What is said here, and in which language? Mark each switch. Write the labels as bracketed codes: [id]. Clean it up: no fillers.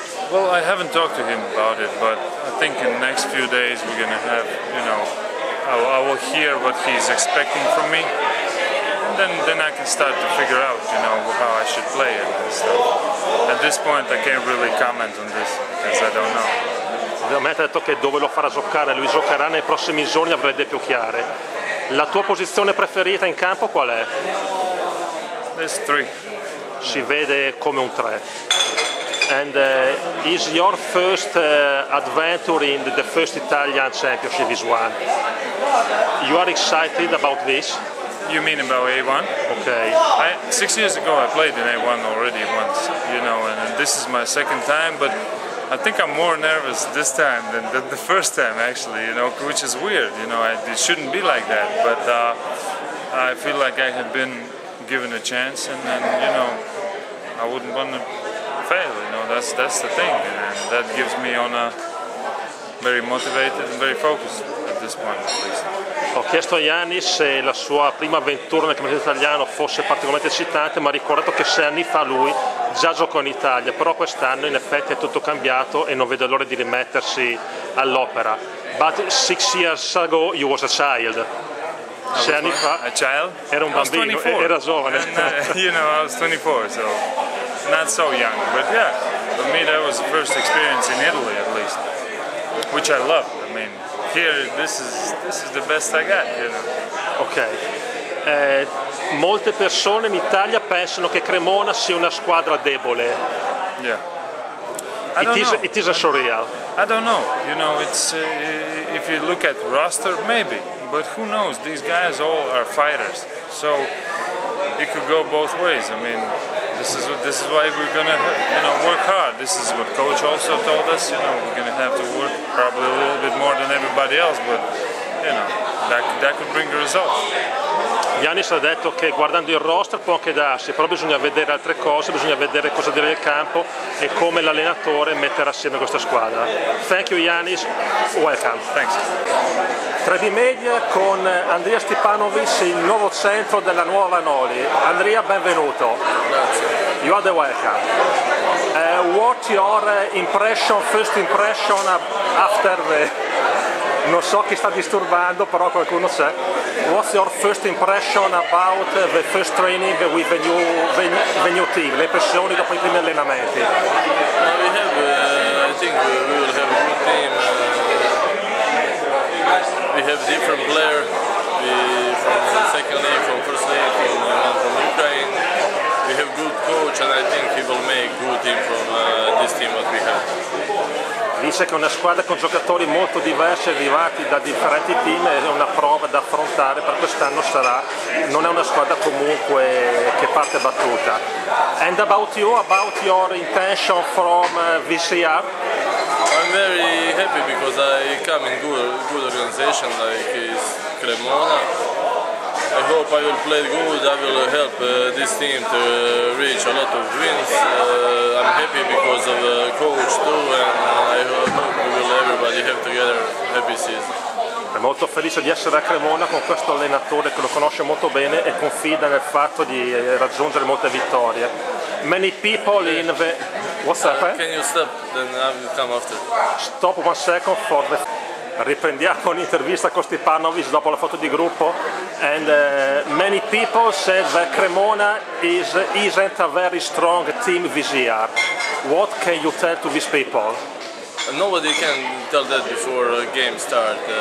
[en] Well, I haven't talked to him about it, but I think in the next few days we're gonna have, I will hear what he's expecting from me, and then I can start to figure out, how I should play it and stuff. At this point, I can't really comment on this because I don't know. [it] Ovviamente ha detto che dove lo farà giocare, lui giocherà nei prossimi giorni, avrete più chiare. La tua posizione preferita in campo qual è? [en] This 3. [it] Si vede come un 3. [en] And is your first adventure in the first Italian Championship this one? You are excited about this? You mean about A1? Okay. 6 years ago I played in A1 already once, and this is my second time, but I think I'm more nervous this time than the first time, actually, you know, which is weird, you know, it shouldn't be like that, but I feel like I have been given a chance, and you know, I wouldn't want to fail, you know, that's the thing, and that gives me on a very motivated and very focused at this point, at least. [it] Ho chiesto a Yannis se la sua prima avventura nel campionato italiano fosse particolarmente eccitante, ma ha ricordato che 6 anni fa lui già giocò in Italia, però quest'anno in effetti è tutto cambiato e non vede l'ora di rimettersi all'opera. [en] But 6 years ago you was a child. [it] 6 anni fa [en] a child? [it] Era un bambino, era giovane. [en] And, you know, I was 24, so not so young, but yeah, for me that was the first experience in Italy at least, which I love. I mean, here this is the best I got, you know. Okay. [it] Molte persone in Italia pensano che Cremona sia una squadra debole. [en] Yeah. It is a surreal. I don't know. You know, it's if you look at roster, maybe. But who knows? These guys all are fighters. So it could go both ways. I mean, this is why we're gonna, you know, work hard. This is what coach also told us. You know, we're gonna have to work probably a little bit more than everybody else. But you know, that could bring the results. [it] Yannis ha detto che guardando il roster può anche darsi, però bisogna vedere altre cose, bisogna vedere cosa dire il campo e come l'allenatore metterà assieme questa squadra. [en] Thank you Yannis, welcome. Thanks. [it] 3D Media con Andrija Stipanović, il nuovo centro della nuova Vanoli. Andrija, benvenuto. Grazie. [en] You are the welcome. What your impression, first impression after the... [it] Non so chi sta disturbando, però qualcuno c'è. [en] What's your first impression about the first training with the new team? [it] Le impressioni dopo i primi allenamenti? [en] We have, I think we will have a good team. We have different players from second league, from first league, from Ukraine. We have good coach and I think he will make good team from this team that we have. [it] Dice che è una squadra con giocatori molto diversi, arrivati da differenti team, è una prova da affrontare, per quest'anno sarà, non è una squadra comunque che parte battuta. [en] And about your intention from VCR? I'm very happy because I come in good organization like is Cremona. I hope I will play good, I will help this team to reach a lot of wins. I'm happy because of the coach too, and I hope we will everybody have together a happy season. [it] È molto felice di essere a Cremona con questo allenatore che lo conosce molto bene e confida nel fatto di raggiungere molte vittorie. [en] Many people in the... What's up? Can you stop? Then I will come after. Stop one second for the... [it] Riprendiamo l'intervista con Stipanović dopo la foto di gruppo. [en] And many people said that Cremona isn't a very strong team this year. What can you tell to these people? Nobody can tell that before a game start.